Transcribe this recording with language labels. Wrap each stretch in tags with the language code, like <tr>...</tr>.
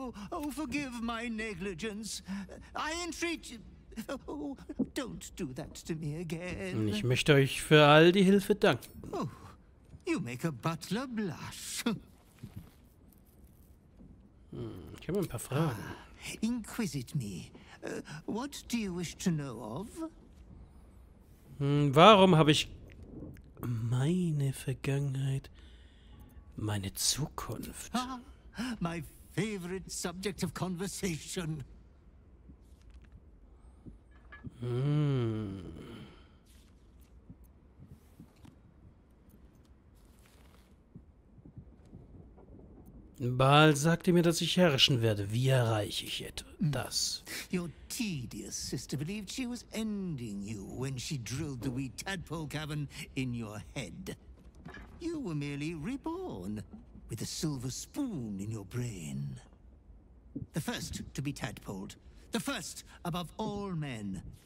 <en>Oh, forgive my negligence. I entreat you. Oh, don't do that to me again.</en> <de>Ich möchte euch für all die Hilfe danken.</de> <en>Oh, you make a butler blush.</en> <de>Ich habe ein paar Fragen.</de> <en>Ah, inquisit me. What do you wish to know of?</en> <de>Warum habe ich meine Vergangenheit, meine Zukunft?</de> <en>Ah, my favorite subject of conversation.</en> <de>Baal sagte mir, dass ich herrschen werde. Wie erreiche ich das?</de> <en>Your tedious sister believed she was ending you when she drilled the wee tadpole cavern in your head. You were merely reborn with a silver spoon in your brain. The first to be tadpoled. The first above all men.</en>